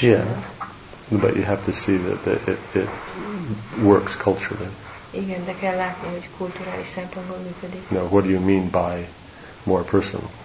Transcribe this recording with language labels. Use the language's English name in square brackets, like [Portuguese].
[English] Yeah, but you have to see that it works culturally. [Hungarian] Igen, de kell látni, hogy kulturális szempontból működik. [English] No, what do you mean by more personal?